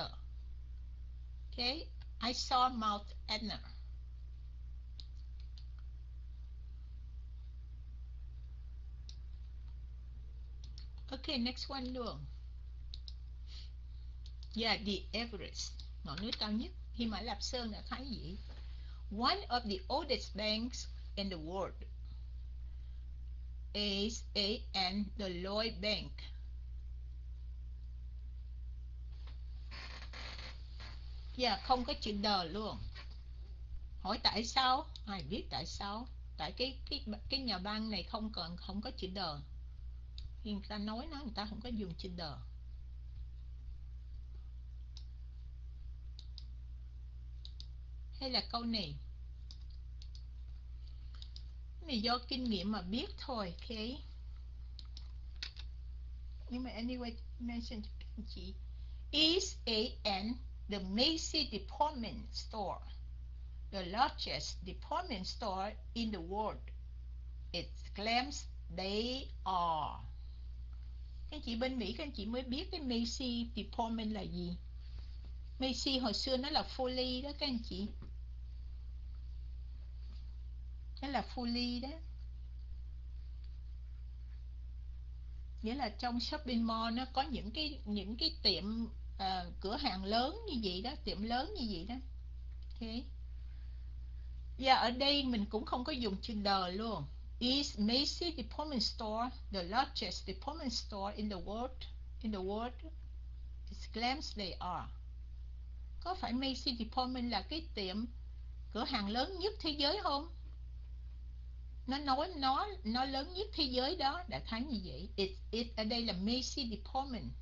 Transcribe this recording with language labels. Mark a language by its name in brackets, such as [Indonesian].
[English] Ok, I saw Mount Etna. Ok, next one luôn. [Vietnamese] Yeah, the Everest, ngọn núi cao nhất, Hy Mã Lạp Sơn là khái gì? [English] One of the oldest banks in the world is the Lloyd Bank. [Vietnamese] Yeah, không có chữ the luôn. Hỏi tại sao? Ai biết tại sao? Tại cái nhà băng này không có chữ the. Khi người ta nói nó, người ta không có dùng chữ the. Hay là câu này, cái này do kinh nghiệm mà biết thôi. Ok, nhưng mà anyway mention cho anh chị. [English] Is the Macy's department store the largest department store in the world? It claims they are. [Vietnamese] Các anh chị bên Mỹ, các anh chị mới biết cái Macy's department là gì. Macy's hồi xưa nó là Foley đó các anh chị. Đó là Foley đó. Nghĩa là trong shopping mall nó có những cái tiệm cửa hàng lớn như vậy đó, tiệm lớn như vậy đó. Okay. Và ở đây mình cũng không có dùng chữ the luôn. [English] Is Macy's department store the largest department store in the world? In the world, it claims they are. [Vietnamese] Có phải Macy's department là cái tiệm cửa hàng lớn nhất thế giới không? Nó nói nó lớn nhất thế giới đó, đã thắng như vậy. Ở đây là Macy's department.